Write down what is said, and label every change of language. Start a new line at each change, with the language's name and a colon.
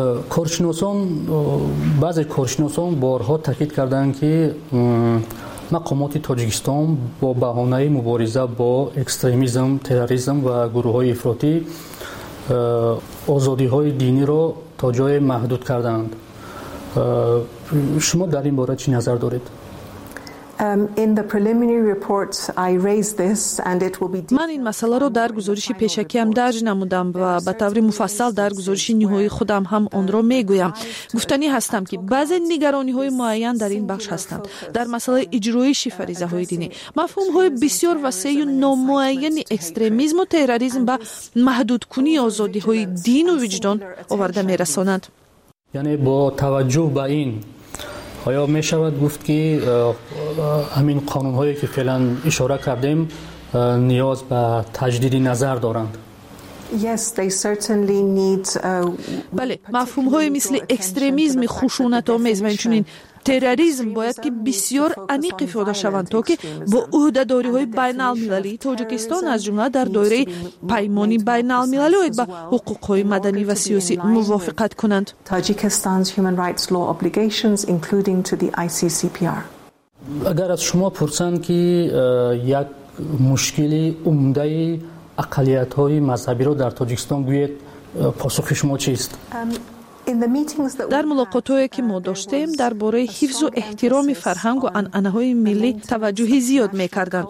Persian: کارشناسان، بعضی کارشناسان بارها تاکید کردند که مقامات تاجیکستان با بهانه مبارزه با اکستریمیسم، تروریسم و گروه‌های افراطی آزادی‌های دینی را تا جای محدود کردند. شما در این باره چی نظر دارید؟
English: In the preliminary reports I raised this and it will be deep.
Persian: من این مساله رو در گزارش پیشکی هم درج نمودم و به طور مفصل در گزارش نهایی خودم هم اون رو میگویم. گفتنی هستم که بعضی نگرانی های معین در این بخش هستند. در مساله اجرای شفریزه های دینی، مفهوم های بسیار وسیع و نامعین اکستریمیسم و تروریسم به محدود کنی آزادی های دین و وجدان آورده می رسانند. یعنی با توجه به این، آیا می شود گفت که همین قانون هایی که فعلا اشاره کردیم نیاز به تجدید نظر دارند؟
English: Yes, they certainly need
Persian: بله، مفهوم های مثل اکستریمیسم، خشونت آمیز و اینچنین تروریسم باید که بسیار عمیق افاده شوند تا که با عهده‌داری های بین المللی تاجیکستان از جمله در دایره پیمان بین المللی با حقوق های مدنی و سیاسی موافقت کنند.
English: Tajikistan's human rights law obligations including to the ICCPR.
Persian: اگر از شما پرسند که یک مشکلی عمده اقلیت های مذهبی را در تاجیکستان گویید، پاسخ شما چیست؟ در ملاقاتهایی که ما داشتیم در باره حفظ و احترام فرهنگ و انعنه های ملی توجه زیاد میکردند.